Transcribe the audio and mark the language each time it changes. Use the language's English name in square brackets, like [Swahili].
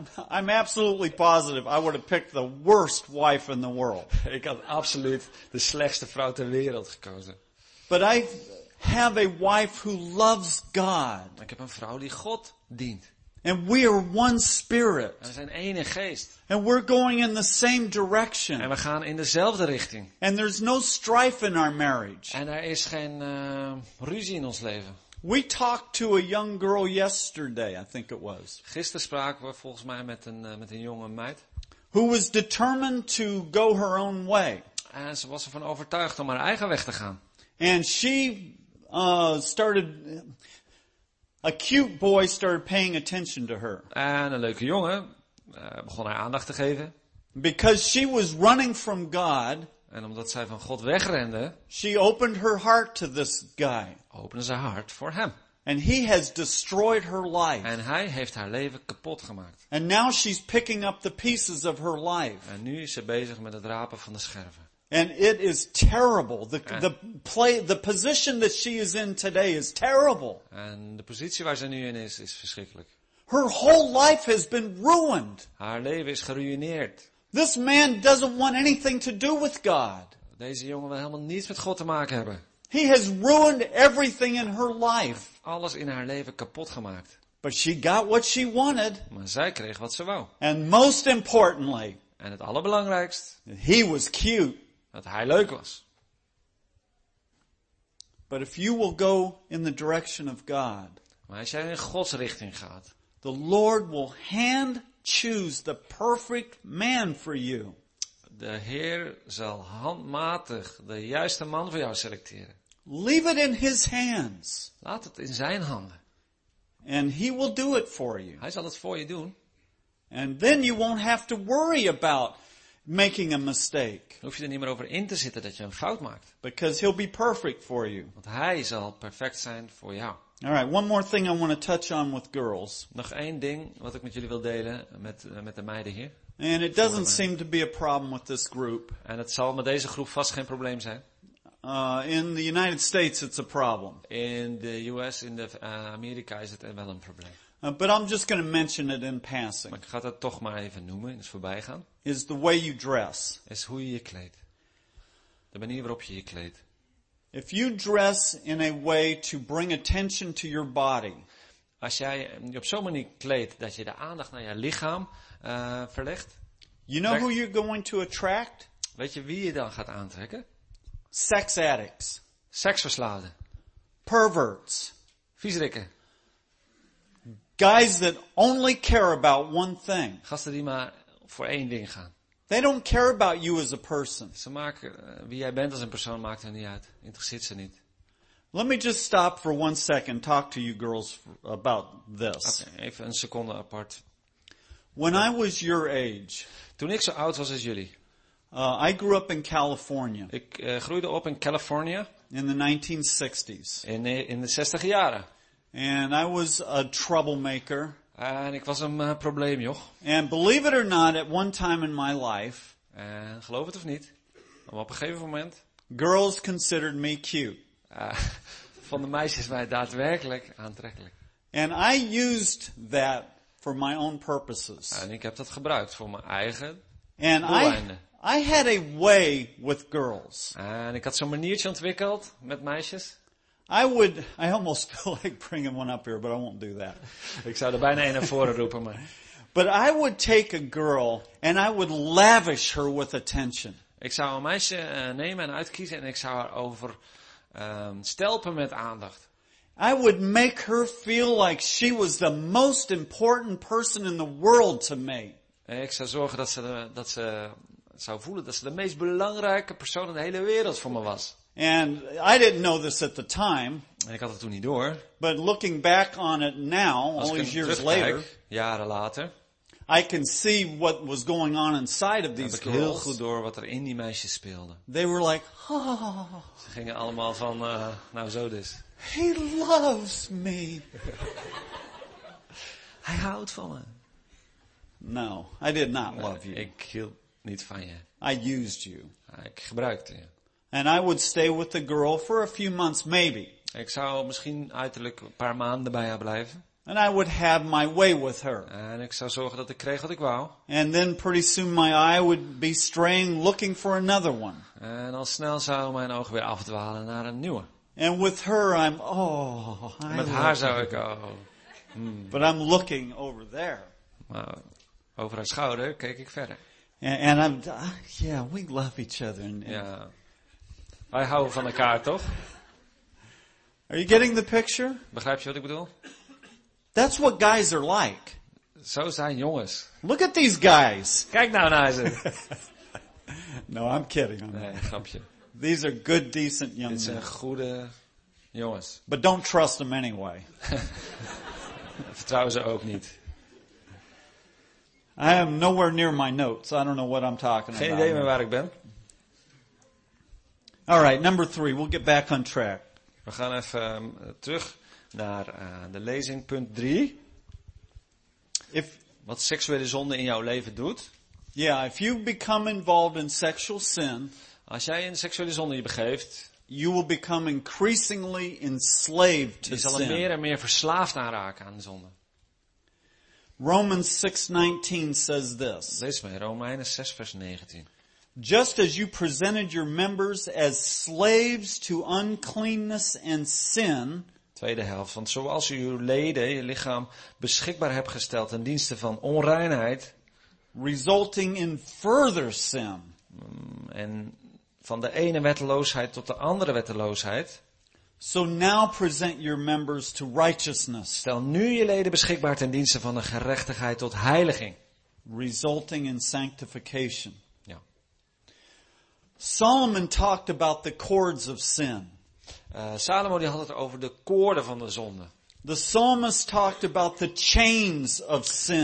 [English] I'm absolutely positive I would have picked the worst wife in the world. [Dutch] Ik had absoluut de slechtste vrouw ter wereld gekozen. [English] But I have a wife who loves God. [Dutch] Ik heb een vrouw die God dient. [English] And we are one spirit. [Dutch] We zijn één in geest. [English] And we're going in the same direction. [Dutch] En we gaan in dezelfde richting. [English] And there's no strife in our marriage. [Dutch] En er is geen ruzie in ons leven. [English] We talked to a young girl yesterday, I think it was. [Dutch] Gisteren spraken we volgens mij met een jonge meid. [English] Who was determined to go her own way. [Dutch] En ze was ervan overtuigd om haar eigen weg te gaan. [English] And she started. A cute boy started paying attention to her. [Dutch] En een leuke jongen begon haar aandacht te geven. [English] Because she was running from God. [Dutch] En omdat zij van God wegrende. [English] She opened her heart to this guy. [Dutch] Opende ze haar hart voor hem. [English] And he has destroyed her life. [Dutch] En hij heeft haar leven kapot gemaakt. [English] And now she's picking up the pieces of her life. [Dutch] En nu is ze bezig met het rapen van de scherven. [English] And it is terrible. The position that she is in today is terrible. [Dutch] En de positie waar ze nu in is, is verschrikkelijk. [English] Her whole life has been ruined. [Dutch] Haar leven is geruïneerd. [English] This man doesn't want anything to do with God. [Dutch] Deze jongen wil helemaal niets met God te maken hebben. [English] He has ruined everything in her life. [Dutch] Alles in haar leven kapot gemaakt. [English] But she got what she wanted. [Dutch] Maar zij kreeg wat ze wou. [English] And most importantly. [Dutch] En het allerbelangrijkst. [English] He was cute. [Dutch] Dat hij leuk was. [English] But if you will go in the direction of God. [Dutch] Maar als jij in Gods richting gaat. [English] The Lord will hand choose the perfect man for you. [Dutch] De Heer zal handmatig de juiste man voor jou selecteren. [English] Leave it in his hands. [Dutch] Laat het in zijn handen. [English] And he will do it for you. [Dutch] Hij zal het voor je doen. [English] And then you won't have to worry about making a mistake. [Dutch] Hoef je er niet meer over in te zitten dat je een fout maakt. [English] Because he'll be perfect for you. [Dutch] Want hij zal perfect zijn voor jou. [English] All right, one more thing I want to touch on with girls. [Dutch] Nog één ding wat ik met jullie wil delen met de meiden hier. [English] And it doesn't seem to be a problem with this group. [Dutch] En het zal met deze groep vast geen probleem zijn. [English] In the United States it's a problem. [Dutch] In de US, in de Amerika is het wel een probleem. [English] But I'm just going to mention it in passing. [Dutch] Maar ik ga dat toch maar even noemen, in het voorbijgaan. [English] Is the way you dress. [Dutch] Is hoe je je kleedt. De manier waarop je je kleedt. [English] If you dress in a way to bring attention to your body. [Dutch] als jij je op zo'n manier kleedt dat je de aandacht naar je lichaam verlegt. [English] You know who you're going to attract? [Dutch] Weet je wie je dan gaat aantrekken? [English] Sex addicts. [Dutch] Seksverslaafden. [English] Perverts. [Dutch] Viezerikken. [English] Guys that only care about one thing. [Dutch] Gasten die maar voor één ding gaan. [English] They don't care about you as a person. [Dutch] Ze maken wie jij bent als een persoon maakt er niet uit. Interesseert ze niet. [English] Let me just stop for one second talk to you girls about this. [Dutch] Okay, even een seconde apart. [English] When I was your age. [Dutch] Toen ik zo oud was als jullie. [English] I grew up in California. [Dutch] Ik groeide op in California. [English] In the 1960s. [Dutch] In de 60 jaren. [English] And I was a troublemaker. [Dutch] En ik was een probleem, joh. [English] And believe it or not, at one time in my life. [Dutch] En geloof het of niet, maar op een gegeven moment. [English] Girls considered me cute. [Dutch] Van de meisjes mij daadwerkelijk aantrekkelijk. [English] And I used that for my own purposes. [Dutch] En ik heb dat gebruikt voor mijn eigen doeleinden. [English] I had a way with girls. [Dutch] En ik had zo'n maniertje ontwikkeld met meisjes. [English] I almost feel like bringing one up here, but I won't do that. [Dutch] Ik zou er bijna een naar voren roepen, maar. [English] But I would take a girl and I would lavish her with attention. [Dutch] Ik zou een meisje nemen en uitkiezen en ik zou haar over stelpen met aandacht. [English] I would make her feel like she was the most important person in the world to me. [Dutch] Ik zou zorgen dat ze zou voelen dat ze de meest belangrijke persoon in de hele wereld voor me was. [English] And I didn't know this at the time. [Dutch] En ik had het toen niet door. [English] But looking back on it now, all these years later, [Dutch] jaren later, [English] I can see what was going on inside of these girls. [Dutch] Heb ik heel goed door wat er in die meisjes speelde. [English] They were like, oh. [Dutch] Ze gingen allemaal van, nou zo dus. [English] He loves me. [Dutch] Hij houdt van me. [English] No, I did not love you. [Dutch] Ik hield niet van je. [English] I used you. [Dutch] Ik gebruikte je. [English] And I would stay with the girl for a few months, maybe. [Dutch] Ik zou misschien uiterlijk een paar maanden bij haar blijven. [English] And I would have my way with her. [Dutch] En ik zou zorgen dat ik kreeg wat ik wou. [English] And then pretty soon my eye would be straying, looking for another one. [Dutch] En al snel zou mijn oog weer afdwalen naar een nieuwe. [English] And with her, I'm oh. [Dutch] Met haar zou ik [English] But I'm looking over there. [Dutch] Maar over haar schouder keek ik verder. [English] And I'm yeah, we love each other. [Dutch] Ja. Wij houden van elkaar, toch? [English] Are you getting the picture? [Dutch] Begrijp je wat ik bedoel? [English] That's what guys are like. [Dutch] Zo zijn jongens. [English] Look at these guys. [Dutch] Kijk nou naar ze. [English] No, I'm kidding. [Dutch] Nee, grapje. [English] These are good, decent young men. [Dutch] Dit zijn goede jongens. [English] But don't trust them anyway. [Dutch] Vertrouw ze ook niet. [English] I am nowhere near my notes. I don't know what I'm talking [Dutch] Geen [English] about. [Dutch] Geen idee meer waar ik ben. [English] All right, number three, we'll get back on track. [Dutch] We gaan even terug naar de lezing, punt 3. [English] If [Dutch] wat seksuele zonde in jouw leven doet. [English] Yeah, if you become involved in sexual sin, [Dutch] als jij in seksuele zonde je begeeft, [English] you will become increasingly enslaved to sin. [Dutch] Je zal er meer en meer verslaafd aan raken aan de zonde. [English] Romans 6:19 says this. [Dutch] Lees maar, Romeinen 6 vers 19. [English] Just as you presented your members as slaves to uncleanness and sin. [Dutch] Tweede helft, want zoals u uw leden, je lichaam, beschikbaar hebt gesteld ten dienste van onreinheid. [English] Resulting in further sin. [Dutch] En van de ene wetteloosheid tot de andere wetteloosheid. [English] So now present your members to righteousness. [Dutch] Stel nu je leden beschikbaar ten dienste van de gerechtigheid tot heiliging. [English] Resulting in sanctification. Solomon talked about the cords of sin. [Dutch] Salomo die had het over de koorden van de zonde. [English] The psalmist talked about the chains of sin.